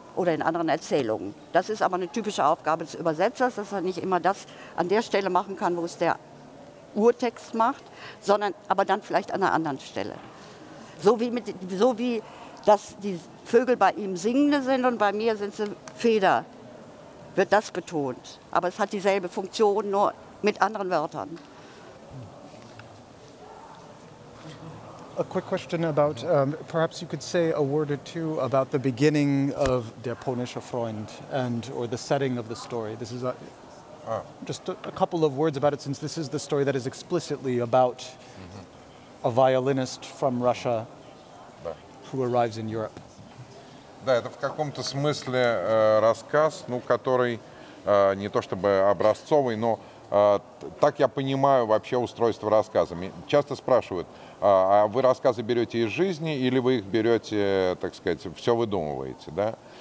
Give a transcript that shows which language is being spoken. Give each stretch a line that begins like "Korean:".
German: oder in anderen Erzählungen. Das ist aber eine typische Aufgabe des Übersetzers, dass er nicht immer das an der Stelle machen kann, wo es der Urtext macht, sondern aber dann vielleicht an einer anderen Stelle. So wie dass die Vögel bei ihm singende sind und bei mir sind sie Feder, wird das betont. Aber es hat dieselbe Funktion, nur mit anderen Wörtern.
English: A quick question about, perhaps you could say a word or two about the beginning of Der polnische Freund and or the setting of the story. This is just a couple of words about it, since this is the story that is explicitly about a violinist from Russia who arrives in Europe.
Russian: Да, это в каком-то смысле рассказ, ну, который не то чтобы образцовый, но так я понимаю вообще устройство рассказа. Часто спрашивают, а вы рассказы берете из жизни или вы их берете, так сказать, все выдумываете, да?